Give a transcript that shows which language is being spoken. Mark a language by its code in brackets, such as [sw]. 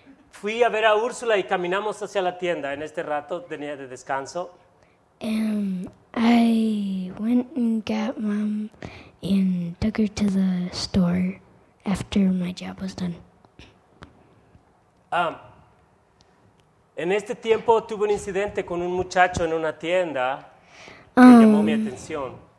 [es] Fui a ver a Úrsula y caminamos hacia la tienda. En este rato tenía de descanso. [en] I went and got mom and took her to the store after my job was done. [es] En este tiempo tuve un incidente con un muchacho en una tienda que llamó mi atención.